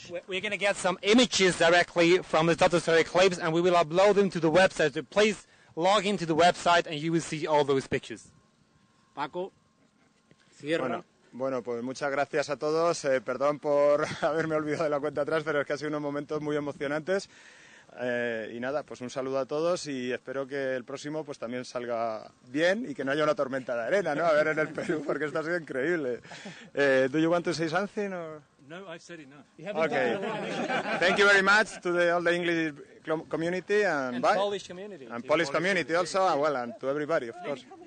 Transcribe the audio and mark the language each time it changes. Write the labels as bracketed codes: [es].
[en] We're going to get some images directly from the Solar Eclipse and we will upload them to the website. So please log into the website and you will see all those pictures. [es] Paco, cierra. Bueno, pues muchas gracias a todos. Perdón por haberme olvidado de la cuenta atrás, pero es que ha sido unos momentos muy emocionantes. Y nada, pues un saludo a todos y espero que el próximo pues también salga bien y que no haya una tormenta de arena, ¿no? A ver en el Perú, porque esto ha sido increíble. [en] Do you want to say something? Or? No, I've said enough. Okay. Thank you very much to all the English community and bye. Polish community. And Polish community also, and well, and to everybody, of course.